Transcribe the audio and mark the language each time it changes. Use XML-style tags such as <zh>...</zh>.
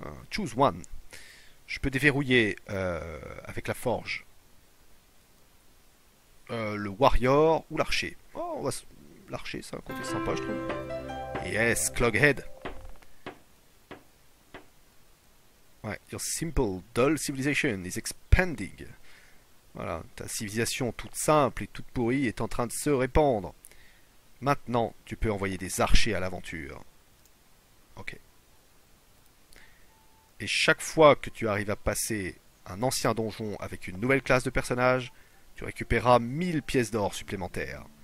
<en>Choose one.</en> <fr>Je peux déverrouiller avec la forge. Le warrior ou l'archer. Oh, l'archer, c'est un côté sympa, je trouve.</fr> <en>Yes, Cloghead. Ouais, your simple, dull civilization is expanding.</en> <fr>Voilà, ta civilisation toute simple et toute pourrie est en train de se répandre. Maintenant, tu peux envoyer des archers à l'aventure. Ok. Et chaque fois que tu arrives à passer un ancien donjon avec une nouvelle classe de personnage, tu récupéreras 1000 pièces d'or supplémentaires.</fr>